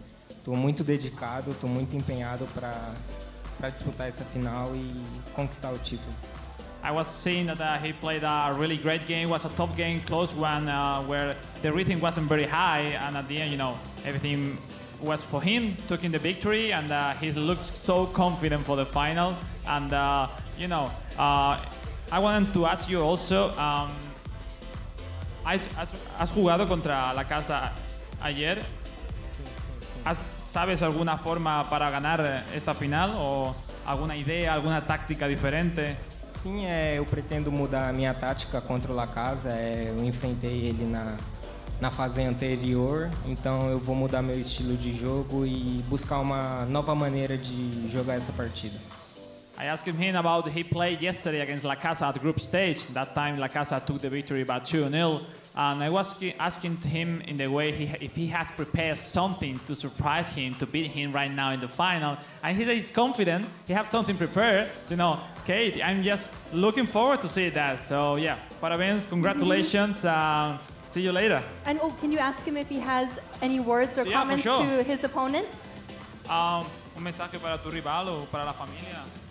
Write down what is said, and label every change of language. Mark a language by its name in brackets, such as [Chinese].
[Portuguese] Estou muito dedicado, estou muito empenhado para disputar essa final e conquistar o título. [English] I was seeing that he played a really great game. It was a top game, close one, where the rhythm wasn't very high, and at the end, you know, everything was for him, took in the victory, and he looks so confident for the final. And, you know, I wanted to ask you also, [Spanish] ¿has jugado contra la casa ayer? ¿Sabes alguna forma para ganar esta final? ¿O alguna idea, alguna táctica diferente? [Portuguese] Sim, eu pretendo mudar a minha tática contra o La Casa. Eu enfrentei ele na fase anterior, então eu vou mudar meu estilo de jogo e buscar uma nova maneira de jogar essa partida. [English] I asked him about he played yesterday against La Casa at group stage. That time La Casa took the victory by 2-0. And I was asking him in the way if he has prepared something to surprise him, to beat him right now in the final. And he said he's confident, he has something prepared. So, you know, Kate, I'm just looking forward to see that. So, yeah, parabéns, congratulations. See you later. And oh, can you ask him if he has any words or comments for sure. To his opponent? [Spanish] Un mensaje para tu rival o para la familia.